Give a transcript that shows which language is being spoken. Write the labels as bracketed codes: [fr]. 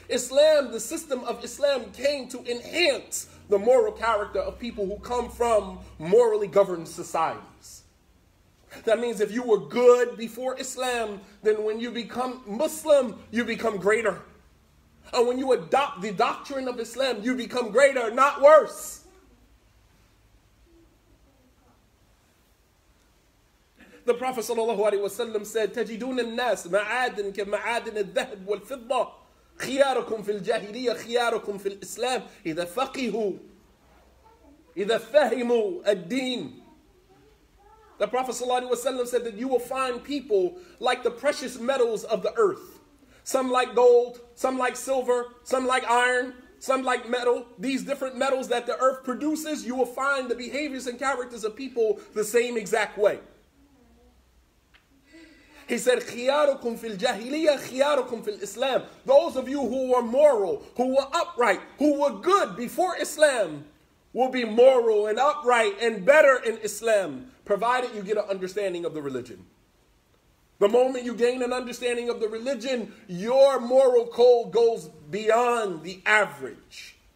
[en] Islam, the system of Islam, came to enhance the moral character of people who come from morally governed societies. That means if you were good before Islam, then when you become Muslim, you become greater. And when you adopt the doctrine of Islam, you become greater, not worse. The Prophet sallallahu alaihi wasallam said, [ar] تجدون الناس معادن كمعادن الذهب والفضة خياركم في الجاهلية خياركم في الإسلام إذا فقهوا إذا فهموا الدين. [en] The Prophet sallallahu alaihi wasallam said that you will find people like the precious metals of the earth. Some like gold, some like silver, some like iron, some like metal. These different metals that the earth produces, you will find the behaviors and characters of people the same exact way. He said, [ar] خياركم في الجاهلية خياركم في الإسلام. [en] Those of you who were moral, who were upright, who were good before Islam, will be moral and upright and better in Islam, provided you get an understanding of the religion. The moment you gain an understanding of the religion, your moral code goes beyond the average.